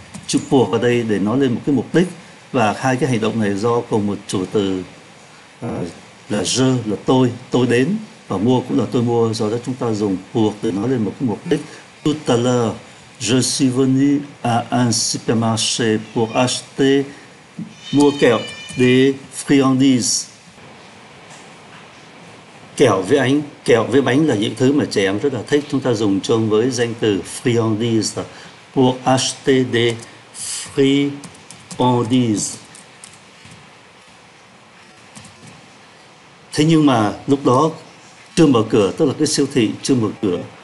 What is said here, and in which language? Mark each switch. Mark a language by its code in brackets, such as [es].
[vi] Chữ pour ở đây để nói lên một cái mục đích, và hai cái hành động này do cùng một chủ từ là je, là tôi đến, và mua cũng là tôi mua, do đó chúng ta dùng pour để nói lên một cái mục đích. [fr] Tout à l'heure, je suis venu à un supermarché pour acheter, [vi] mua kẹo, [fr] des friandises. [vi] Kẹo với bánh là những thứ mà trẻ em rất là thích. Chúng ta dùng chung với danh từ friandises. [fr] Pour acheter des friandises. [vi] Thế nhưng mà lúc đó chưa mở cửa, tức là cái siêu thị chưa mở cửa.